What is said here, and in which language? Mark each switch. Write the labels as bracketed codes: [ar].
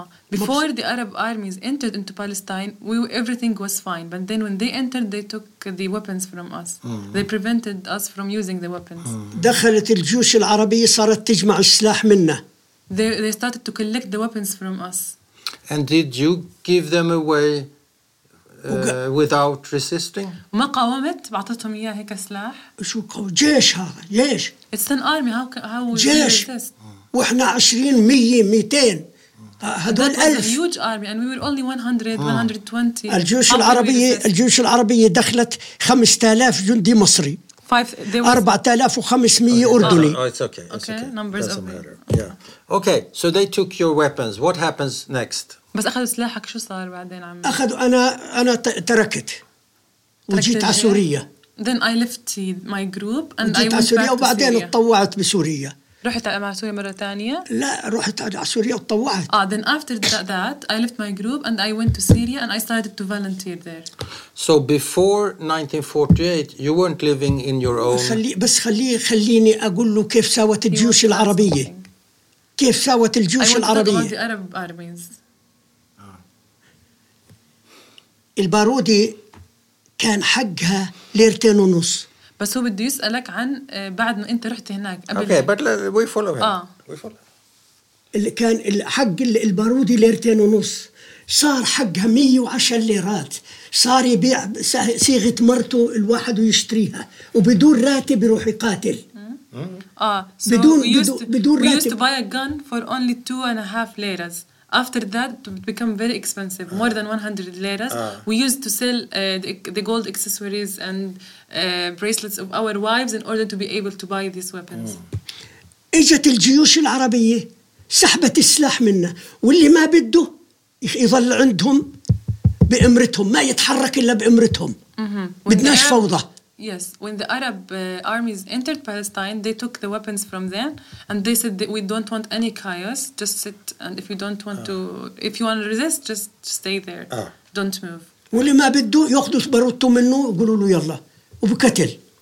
[en] Before the Arab armies entered into Palestine, everything was fine. But then when they entered, they took the weapons from us. They prevented us from using the weapons. [ar] دخلت الجيوش العربية صارت تجمع السلاح منا. [en] They started to collect the weapons from us. And did you give them away? Without resisting. [ar] ما قاومت بعطتهم إياه هيك سلاح. شو قو جيش هذا جيش. [en] It's an army. How [ar] would جيش. وإحنا 20 100 200. هذول ألف. [en] That was a huge army and we were only 100 120. [ar] الجيوش العربية دخلت 5,000 جندي مصري. 4,500 أردني. [en] It's okay. Numbers doesn't matter. Yeah. Okay. So they took your weapons. What happens next? [ar] بس أخذوا سلاحك شو صار بعدين عمي؟ أخذوا أنا تركت وجيت على سوريا. [en] Then I left my group and [ar] جيت على سوريا وبعدين اتطوعت بسوريا. رحت مع سوريا مرة تانية؟ لا رحت على سوريا وتطوعت. [en] Then after that I left my group and I went to Syria and I started to volunteer there. So before 1948 you weren't living in your own. [ar] خليني أقول له كيف سوت الجيوش العربية. كيف سوت الجيوش العربية؟ [en] I went to the Arab armies. [ar] البارودي كان حقها ليرتين ونص. بس هو بده يسألك عن بعد ما أنت رحت هناك. [en] Okay, but we follow him. [ar] اللي كان حق البارودي ليرتين ونص صار حقها 110 ليرات. صار يبيع صيغة مرته الواحد ويشتريها وبدون راتب يروح يقاتل. [en] We used to buy a gun for only 2.5 liras. After that, it became very expensive, more than 100 liras. We used to sell the gold accessories and bracelets of our wives in order to be able to buy these weapons. [ar] إجت الجيوش العربية سحبت السلاح منا واللي ما بده يظل عندهم بأمرتهم ما يتحرك إلا بأمرتهم. بدناش فوضى. [en] Yes, when the Arab armies entered Palestine, they took the weapons from them and they said that we don't want any chaos, just sit, and if you don't want to, if you want to resist, just stay there. Don't move. [ar] واللي ما بده ياخذ بارودته منه يقولوا له يلا وبقتل.